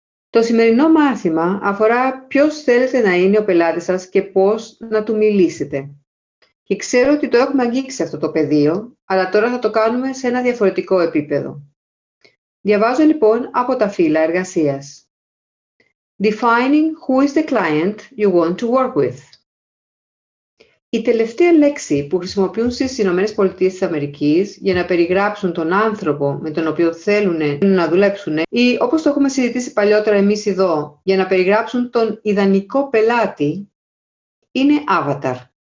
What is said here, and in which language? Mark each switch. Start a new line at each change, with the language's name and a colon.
Greek: Το σημερινό μάθημα αφορά ποιος θέλετε να είναι ο πελάτης σας και πώς να του μιλήσετε. Και ξέρω ότι το έχουμε αγγίξει αυτό το πεδίο, αλλά τώρα θα το κάνουμε σε ένα διαφορετικό επίπεδο. Διαβάζω λοιπόν από τα φύλλα εργασίας.
English: Defining who is the client you want to work with.
Greek: Η τελευταία λέξη που χρησιμοποιούν στις ΗΠΑ για να περιγράψουν τον άνθρωπο με τον οποίο θέλουν να δουλέψουν ή όπως το έχουμε συζητήσει παλιότερα εμείς εδώ, για να περιγράψουν τον ιδανικό πελάτη, είναι avatar.